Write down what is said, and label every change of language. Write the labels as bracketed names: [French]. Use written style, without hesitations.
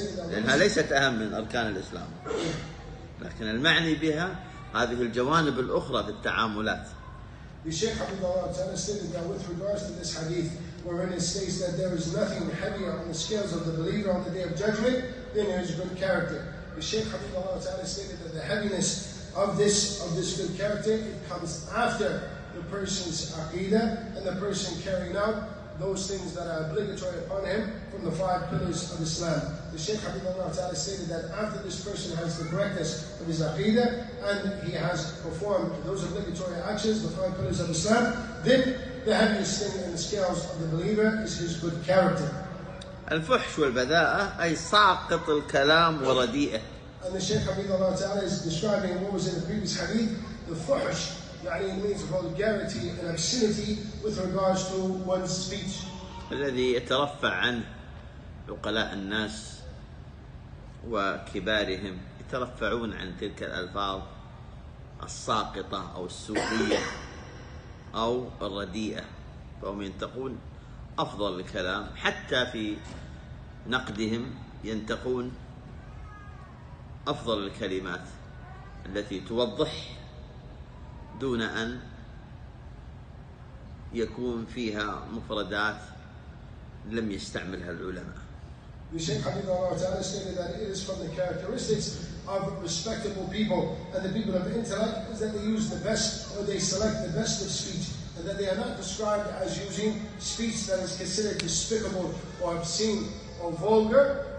[Arabic] لأنها ليست أهم من أركان الإسلام، لكن المعني بها هذه الجوانب الأخرى في التعاملات. [English] The Shaykh Hafidhullah Ta'ala stated that with regards to this hadith, wherein it states that there is nothing heavier on the scales of the believer on the Day of Judgment than his good character. The Shaykh Hafidhullah Ta'ala stated that the heaviness of this good character, it comes after the person's aqidah and the person carrying out those things that are obligatory upon him from the five pillars of Islam. The Shaykh Hafidhullah Ta'ala stated that after this person has the correctness of his aqidah and he has performed those obligatory actions, the five pillars of Islam, then the heaviest thing in the scales of the believer is his good character. [Arabic] الفحش والبذاءة أي ساقط الكلام ورديئة. [English] And the Shaykh Hafidhullah Ta'ala is describing what was in the previous hadith, the fuhsh, يعني it means vulgarity and obscenity with regards to one's speech. [Arabic] الذي يترفع عنه عقلاء الناس وكبارهم يترفعون عن تلك الألفاظ الساقطة أو السوقية أو الرديئة، فهم ينتقون أفضل الكلام حتى في نقدهم ينتقون أفضل الكلمات التي توضح دون أن يكون فيها مفردات لم يستعملها العلماء. [English] The Shaykh Hafidhullah Ta'ala stated that it is from the characteristics of respectable people and the people of intellect is that they use the best or they select the best of speech and that they are not described as using speech that is considered despicable or obscene or vulgar.